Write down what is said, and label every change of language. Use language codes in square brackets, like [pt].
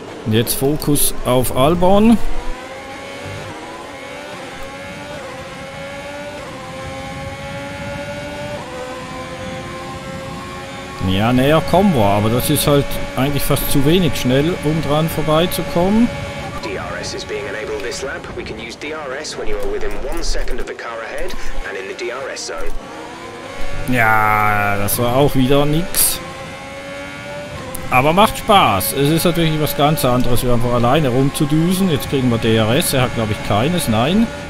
[de] Jetzt Fokus auf Albon. Ja, näher kommen wir, aber das ist halt eigentlich fast zu wenig schnell, um dran vorbeizukommen. [en] DRS is being enabled this lap. We can use DRS when you are within 1 second of the car ahead and in the DRS zone. [de] Ja, das war auch wieder nix. Aber macht Spaß. Es ist natürlich was ganz anderes, wie einfach alleine rumzudüsen. Jetzt kriegen wir DRS. Er hat, glaube ich, keines. Nein.